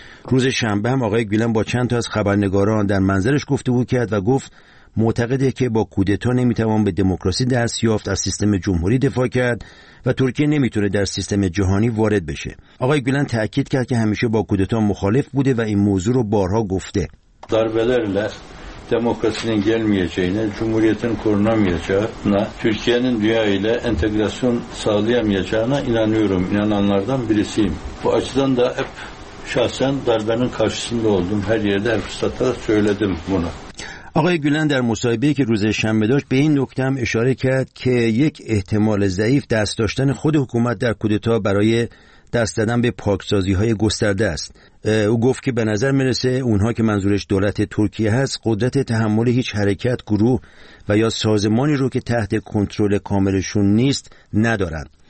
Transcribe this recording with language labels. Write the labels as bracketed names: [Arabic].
[Persian] روز شنبه هم آقای گولن با چند تا از خبرنگاران در منزلش گفتگو کرد و گفت معتقده که با کودتا نمیتوان به دموکراسی دست یافت، از سیستم جمهوری دفاع کرد و ترکیه نمیتونه در سیستم جهانی وارد بشه. آقای گولن تاکید کرد که همیشه با کودتا مخالف بوده و این موضوع رو بارها گفته. [Turkish] ضربه‌لرله demokrasinin gelmeyeceğine, cumhuriyetin korunamayacağına, Türkiye'nin dünya ile entegrasyon sağlayamayacağına inanıyorum. İnananlardan birisiyim. Bu açıdan da hep şahsen darbenin karşısında oldum. Her yerde, her fırsatta söyledim bunu. [Persian] آقای گولن در مصاحبه‌ای که روز شنبه داشت به این نکته هم اشاره کرد که یک احتمال ضعیف دست داشتن خود حکومت در کودتا برای دست دادن به پاکسازی‌های گسترده است. او گفت که به نظر می‌رسه اونها که منظورش دولت ترکیه هست، قدرت تحمل هیچ حرکت، گروه و یا سازمانی رو که تحت کنترل کاملشون نیست ندارن.